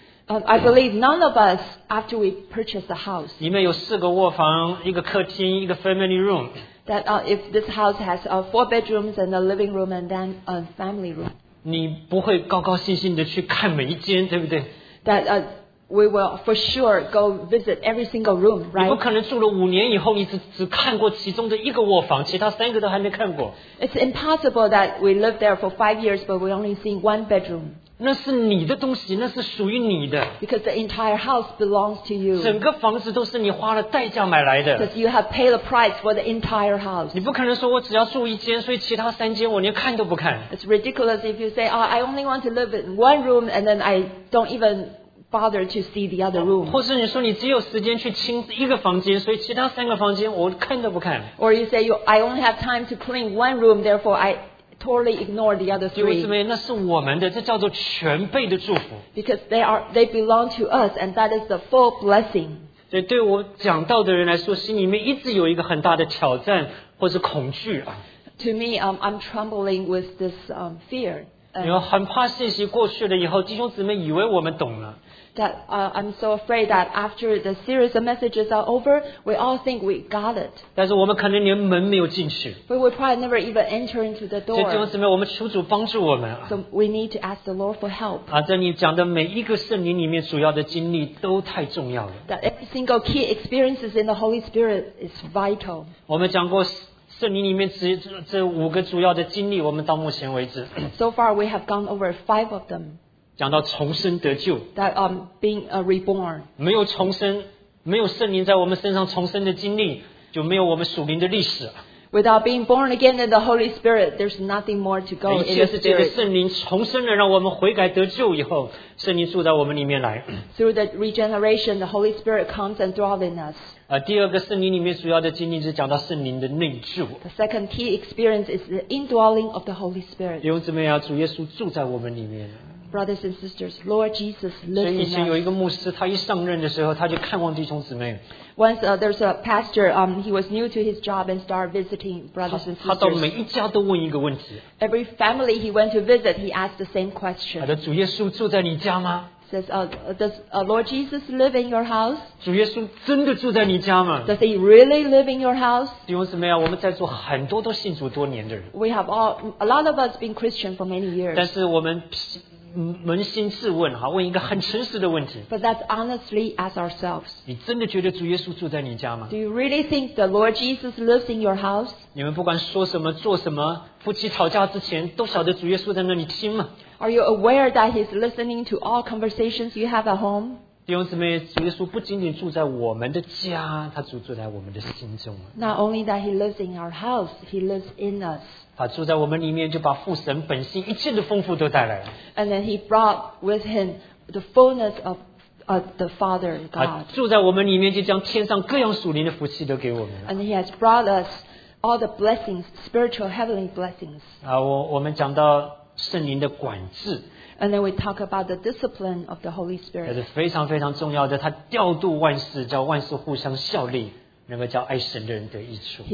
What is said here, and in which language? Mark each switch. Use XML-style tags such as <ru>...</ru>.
<en>I believe none of us after we purchased the house.</en> <zh>里面有四个卧房，一个客厅，一个 family room.</zh> <en>That if this house has four bedrooms and a living room and then a family room.</en> <zh>你不会高高兴兴的去看每一间，对不对？</zh> <en>That we will for sure go visit every single room, right?</en> <zh>你不可能住了五年以后，你只看过其中的一个卧房，其他三个都还没看过。</zh> <en>It's impossible that we live there for 5 years, but we only see one bedroom.</en> <zh>那是你的东西，那是属于你的。</zh> <en>Because the entire house belongs to you.</en> <zh>整个房子都是你花了代价买来的。</zh> <en>Because you have paid the price for the entire house.</en> <zh>你不可能说我只要住一间，所以其他三间我连看都不看。</zh> <en>It's ridiculous if you say, "Oh, I only want to live in one room, and then I." Don't even bother to see the other room.</en> <zh>或是你说你只有时间去清一个房间，所以其他三个房间我看都不看。</zh> <en>Or you say I only have time to clean one room, therefore I totally ignore the other three.</en> <zh>弟兄姊妹，那是我们的，这叫做全备的祝福。</zh> <en>Because they belong to us, and that is the full blessing.</en> <zh>对我讲道的人来说，心里面一直有一个很大的挑战或是恐惧。</zh> <en>To me, I'm trembling with this fear.</en> <zh>很怕信息过去了以后，弟兄姊妹以为我们懂了。</zh> <en>That I'm so afraid that after the series of messages are over, we all think we got it.</en> <zh>但是我们可能连门没有进去。</zh> <en>But we probably never even enter into the door.</en> <zh>所以弟兄姊妹，我们求主帮助我们。</zh> <en>So we need to ask the Lord for help.</en> <zh>在你讲的每一个圣灵里面主要的经历都太重要了。</zh> <en>That every single key experiences in the Holy Spirit is vital.</en> <zh>我们讲过。圣灵里面这五个主要的经历，我们到目前为止。</zh> <en>So far, we have gone over five of them.</en> <zh>讲到重生得救。</zh> <en>That being reborn.</en> <zh>没有重生，没有圣灵在我们身上重生的经历，就没有我们属灵的历史。</zh> <en>Without being born again in the Holy Spirit, there's nothing more to go in the Spirit.</en> <zh>一切是这个圣灵重生了，让我们悔改得救以后，圣灵住在我们里面来。</zh> <en>Through the regeneration, the Holy Spirit comes and dwells in us.</en> <zh>第二个圣灵里面主要的经历是讲到圣灵的内住。</zh> <en>The second key experience is the indwelling of the Holy Spirit.</en> <zh>弟兄姊妹啊，主耶稣住在我们里面。</zh> <en>Brothers and sisters, Lord Jesus lives in us.</en> <zh>以前有一个牧师，他一上任的时候，他就看望弟兄姊妹。</zh> <en>Once there's a pastor, he was new to his job and started visiting brothers and sisters.</en> <zh>他到每一家都问一个问题。</zh> <en>Every family he went to visit, he asked the same question.</en> <zh>主耶稣住在你家吗？</zh> <en>Says, Says, does Lord Jesus live in your house?</en> <zh>主耶稣真的住在你家吗？</zh> <en>Does he really live in your house?</en> <zh>弟兄姊妹啊，我们在座很多都信主多年的人。</zh> <en>We have all, a lot of us been Christian for many years.</en> <zh>但是我们扪心自问，好，问一个很诚实的问题。</zh> <en>But let's honestly ask ourselves.</en> <zh>你真的觉得主耶稣住在你家吗？</zh> <en>Do you really think the Lord Jesus lives in your house?</en> <zh>你们不管说什么做什么，夫妻吵架之前都晓得主耶稣在那里听吗？</zh> <en>Are you aware that he's listening to all conversations you have at home?</en> <zh>弟兄姊妹，主耶稣不仅仅住在我们的家，他住在我们的心中。</zh> <en>Not only that he lives in our house, he lives in us.</en> <zh>他住在我们里面，就把父神本性一切的丰富都带来了。</zh> <en>And then he brought with him the fullness of the Father God.</en> <zh>住在我们里面，就将天上各样属灵的福气都给我们了。</zh> <en>And he has brought us all the blessings, spiritual heavenly blessings.</en> <zh>我们讲到圣灵的管制。</zh> <en>And then we talk about the discipline of the Holy Spirit.</en> <zh>这是非常非常重要的，他调度万事，叫万事互相效力，能够叫爱神的人得益处。</zh>